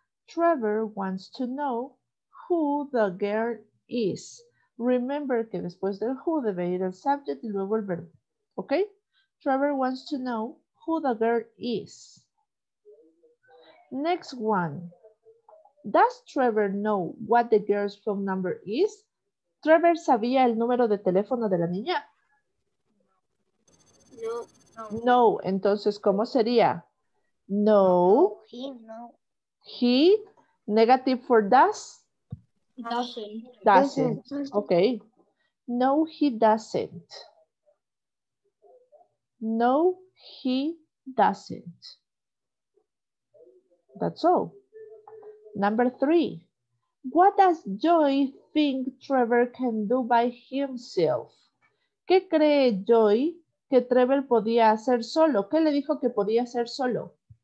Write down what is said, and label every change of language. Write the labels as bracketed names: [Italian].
[English] Trevor wants to know who the girl is. Remember [Spanish] que después del who debe ir el subject y luego el verbo. ¿Ok? [English] Trevor wants to know who. who the girl is. Next one. Does Trevor know what the girl's phone number is? [Spanish] ¿Trevor sabía el número de teléfono de la niña? No. No, entonces, ¿cómo sería? No. [English] He, no. He, negative for does? Doesn't. Okay. No, he doesn't. No, he doesn't. That's all. Number three. What does Joy think Trevor can do by himself? [Spanish] ¿Qué cree Joy que Trevor podía hacer solo? ¿Qué le dijo que podía hacer solo?